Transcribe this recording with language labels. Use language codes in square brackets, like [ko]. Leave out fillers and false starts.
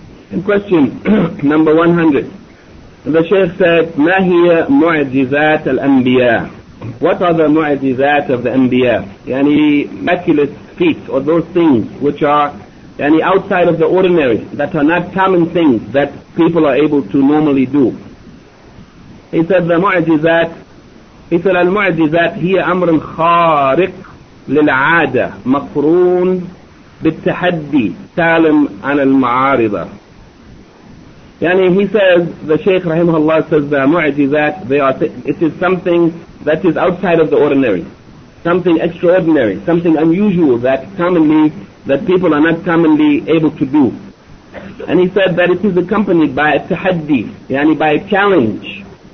[en] In question number 100, the Shaykh said, [ar] ما هي معجزات الأنبياء? [en] What are the معجزات of the أنبياء? يعني miraculous feats, or those things which are يعني outside of the ordinary, that are not common things that people are able to normally do. He said, the معجزات, he said, [ar] المعجزات هي أمر خارق للعادة مقرون بالتحدي سالم عن المعارضة. [en] Yani he says, the Shaykh rahimahullah says, the mu'jizat, it is something that is outside of the ordinary, something extraordinary, something unusual that commonly, that people are not commonly able to do. And he said that it is accompanied by a tahaddi, yani by a challenge.